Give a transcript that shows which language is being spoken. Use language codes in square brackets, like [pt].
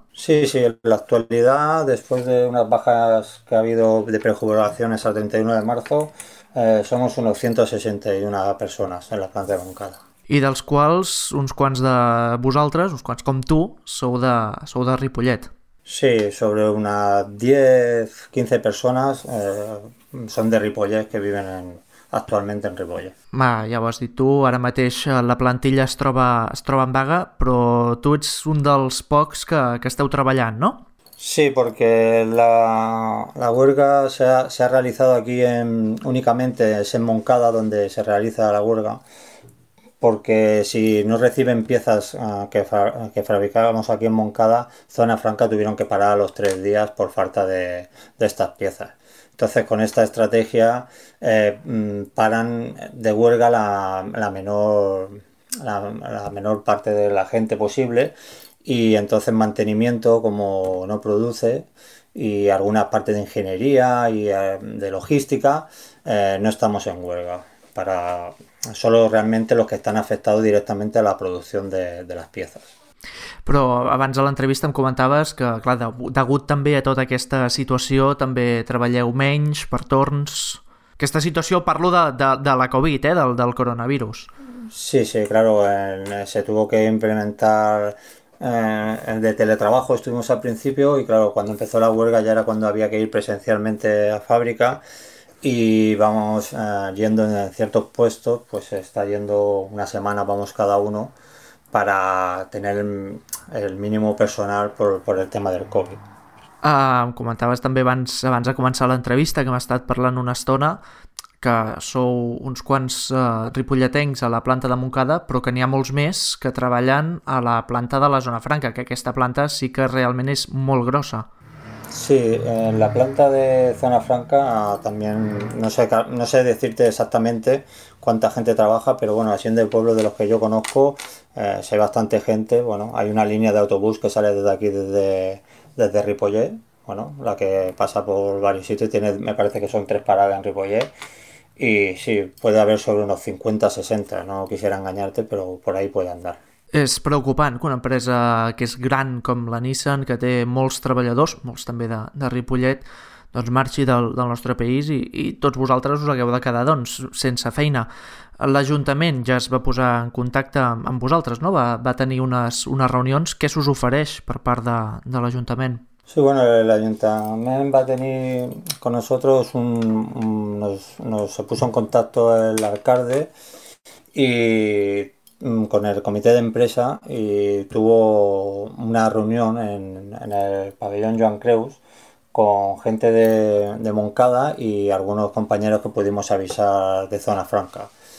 [es] Sí, en la actualidad, después de unas bajas que ha habido de prejubilaciones al 31 de marzo, somos unos 161 personas en la planta de Montcada. [ca] I dels quals, uns quants de vosaltres, uns quants com tu, sou de Ripollet. [es] Sí, sobre unas 10-15 personas son de Ripollet, que viven actualmente en Ripollet. [ca] Ma, ja ho has dit tu, ara mateix la plantilla es troba en vaga, però tu ets un dels pocs que esteu treballant, no? [es] Sí, porque la huelga se ha realizado aquí en, únicamente es en Moncada donde se realiza la huelga, porque si no reciben piezas que fabricábamos aquí en Moncada, Zona Franca tuvieron que parar a los 3 días por falta de estas piezas. Entonces, con esta estrategia paran de huelga la menor parte de la gente posible y entonces mantenimiento, como no produce, y algunas partes de ingeniería y de logística, no estamos en huelga. Para solo realmente los que están afectados directamente a la producción de las piezas. [ca] Però abans de l'entrevista em comentaves que, clar, degut també a tota aquesta situació, també treballeu menys per torns. Aquesta situació, parlo de la Covid, del coronavirus. [es] Sí, claro, se tuvo que implementar el de teletrabajo, estuvimos al principio, y claro, cuando empezó la huelga ya era cuando había que ir presencialmente a fábrica, y vamos yendo en ciertos puestos, pues está yendo una semana, vamos cada uno, para tener el mínimo personal por el tema del COVID. [ca] Em comentaves també abans de començar l'entrevista, que hem estat parlant una estona, que sou uns quants ripolletencs a la planta de Montcada, però que n'hi ha molts més que treballen a la planta de la Zona Franca, que aquesta planta sí que realment és molt grossa. [es] Sí, en la planta de Zona Franca también no sé decirte exactamente cuánta gente trabaja, pero bueno, siendo el pueblo de los que yo conozco, sí hay bastante gente. Bueno, hay una línea de autobús que sale desde aquí, desde Ripollet, Bueno, la que pasa por varios sitios, tiene, me parece que son tres paradas en Ripollet. Y sí, puede haber sobre unos 50-60, no quisiera engañarte, pero por ahí puede andar. [ca] És preocupant que una empresa que és gran com la Nissan, que té molts treballadors, molts també de Ripollet, doncs marxi del nostre país i tots vosaltres us hagueu de quedar doncs, sense feina. L'Ajuntament ja es va posar en contacte amb vosaltres, no? Va tenir unes reunions. Què se us ofereix per part de l'Ajuntament? [es] Sí, bueno, el ayuntamiento va a tener con nosotros un nos se puso en contacto el alcalde y con el comité de empresa y tuvo una reunión en el pabellón Joan Creus con gente de Montcada y algunos compañeros que pudimos avisar de Zona Franca.